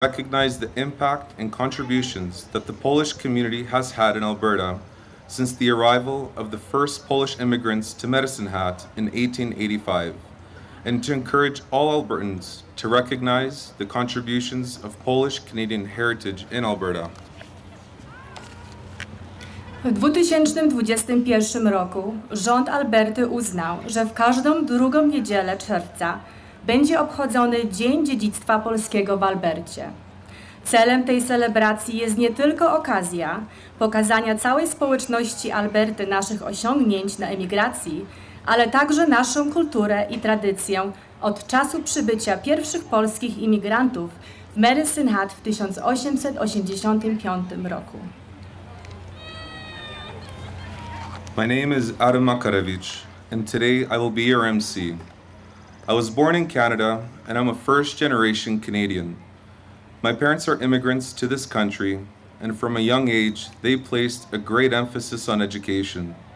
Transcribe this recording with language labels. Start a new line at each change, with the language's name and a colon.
English: recognize the impact and contributions that the Polish community has had in Alberta since the arrival of the first Polish immigrants to Medicine Hat in 1885, and to encourage all Albertans to recognize the contributions of Polish-Canadian heritage in Alberta.
Polish: W 2021 roku rząd Alberty uznał, że w każdą drugą niedzielę czerwca będzie obchodzony Dzień Dziedzictwa Polskiego w Albercie. Celem tej celebracji jest nie tylko okazja pokazania całej społeczności Alberty naszych osiągnięć na emigracji, ale także naszą kulturę i tradycję od czasu przybycia pierwszych polskich imigrantów w Medicine Hat w 1885 roku.
English: My name is Adam Makarewicz, and today I will be your MC. I was born in Canada, and I'm a first-generation Canadian. My parents are immigrants to this country, and from a young age, they placed a great emphasis on education.